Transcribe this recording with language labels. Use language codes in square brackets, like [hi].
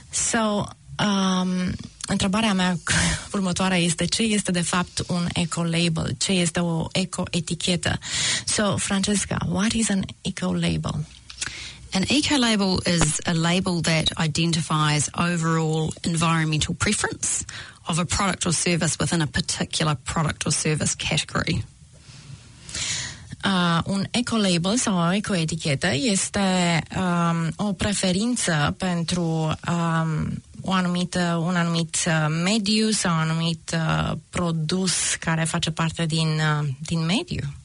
[ro] So, întrebarea mea următoarea este ce este de fapt un eco-label? Ce este o eco-etichetă? [en] So, Francesca, what is an eco-label? An eco-label is a label that identifies overall environmental preference of a product or service within a particular product or service category. [ro] Un eco-label sau o eco-etichetă este o preferință pentru un anumit mediu sau un anumit produs care face parte din mediu.